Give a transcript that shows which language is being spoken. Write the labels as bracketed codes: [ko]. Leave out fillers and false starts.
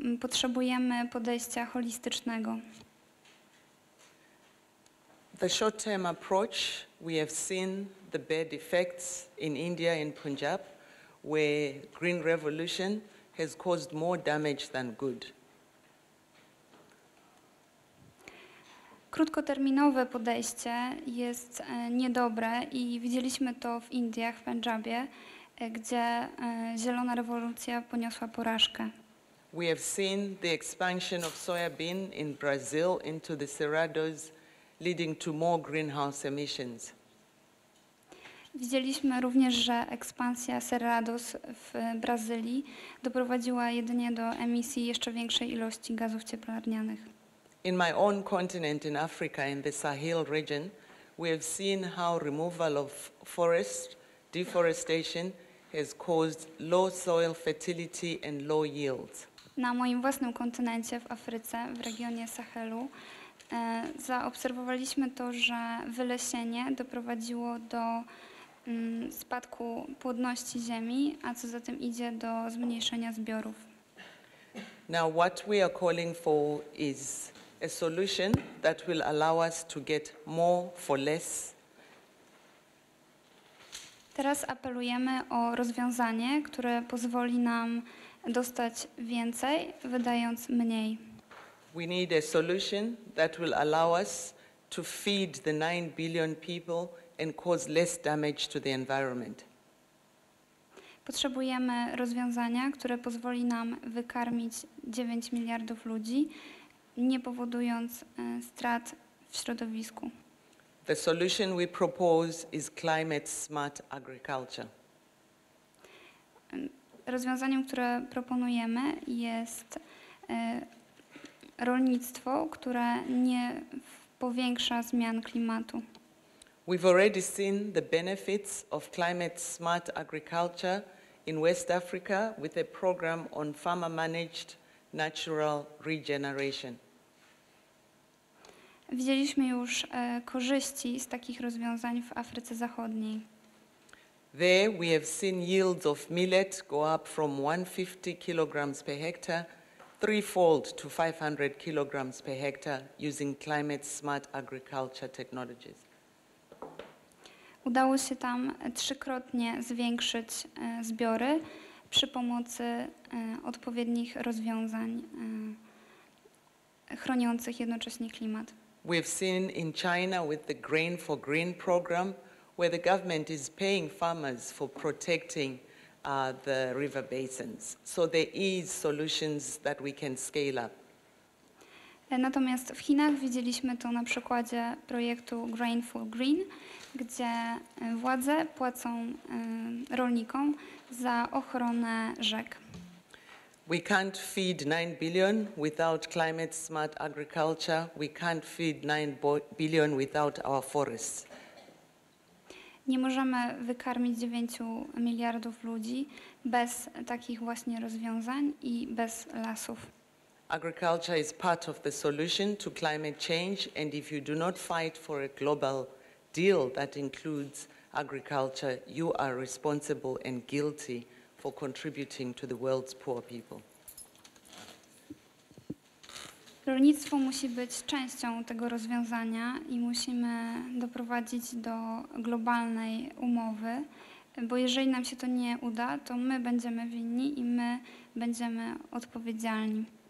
[pl] Potrzebujemy podejścia holistycznego. [en] The short-term approach, we have seen the bad effects in India and Punjab, where green revolution has caused more damage than good. [pl] Krótkoterminowe podejście jest niedobre i widzieliśmy to w Indiach, w Pendżabie, gdzie zielona rewolucja poniosła porażkę. [en] We have seen the expansion of soybean in Brazil into the Cerrados, leading to more greenhouse emissions. [pl] Widzieliśmy również, że ekspansja Cerrados w Brazylii doprowadziła jedynie do emisji jeszcze większej ilości gazów cieplarnianych. [en] In my own continent, in Africa, in the Sahel region, we have seen how removal of forest, deforestation, has caused low soil fertility and low yields. [pl] Na moim własnym kontynencie, w Afryce, w regionie Sahelu, zaobserwowaliśmy to, że wylesienie doprowadziło do spadku płodności ziemi, a co za tym idzie, do zmniejszenia zbiorów. [en] Now what we are calling for is a solution that will allow us to get more for less. [pl] Teraz apelujemy o rozwiązanie, które pozwoli nam dostać więcej, wydając mniej. [en] We need a solution that will allow us to feed the 9 billion people and cause less damage to the environment. [pl] Potrzebujemy rozwiązania, które pozwoli nam wykarmić 9 miliardów ludzi, nie powodując strat w środowisku. [en] The solution we propose is climate smart agriculture. [pl] Rozwiązaniem, które proponujemy, jest rolnictwo, które nie powiększa zmian klimatu. [en] We've already seen the benefits of climate smart agriculture in West Africa with a program on farmer managed natural regeneration. [pl] Widzieliśmy już korzyści z takich rozwiązań w Afryce Zachodniej. [en] There we have seen yields of millet go up from 150 kilograms per hectare, threefold to 500 kilograms per hectare using climate smart agriculture technologies. [pl] Udało się tam trzykrotnie zwiększyć zbiory przy pomocy odpowiednich rozwiązań chroniących jednocześnie klimat. [en] We've seen in China with the Grain for Green program, where the government is paying farmers for protecting the river basins. So there is solutions that we can scale up. [pl] Natomiast w Chinach widzieliśmy to na przykładzie projektu Grain for Green, gdzie władze płacą rolnikom za ochronę rzek. [en] We can't feed 9 billion without climate smart agriculture. We can't feed 9 billion without our forests. [pl] Nie możemy wykarmić 9 miliardów ludzi bez takich właśnie rozwiązań i bez lasów. [en] Agriculture is part of the solution to climate change, and if you do not fight for a global deal that includes agriculture, you are responsible and guilty for contributing to the world's poor people. [pl] Rolnictwo musi być częścią tego rozwiązania i musimy doprowadzić do globalnej umowy, bo jeżeli nam się to nie uda, to my będziemy winni i my będziemy odpowiedzialni.